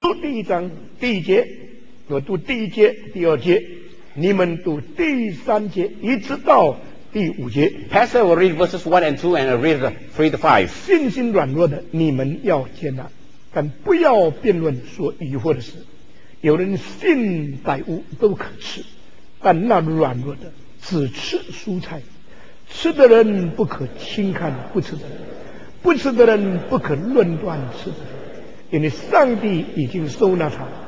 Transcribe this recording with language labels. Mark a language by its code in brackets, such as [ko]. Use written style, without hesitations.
[zh] 读第一章第一节，我读第一节第二节，你们读第三节一直到第五节。 [en] Pastor will read verses 1 and 2 and read 3 to 5. [zh] 信心软弱的你们要接纳，但不要辩论说疑惑的事。有人信百物都可吃，但那软弱的只吃蔬菜。吃的人不可轻看不吃的人，不吃的人不可论断吃的人，因为上帝已经收纳他。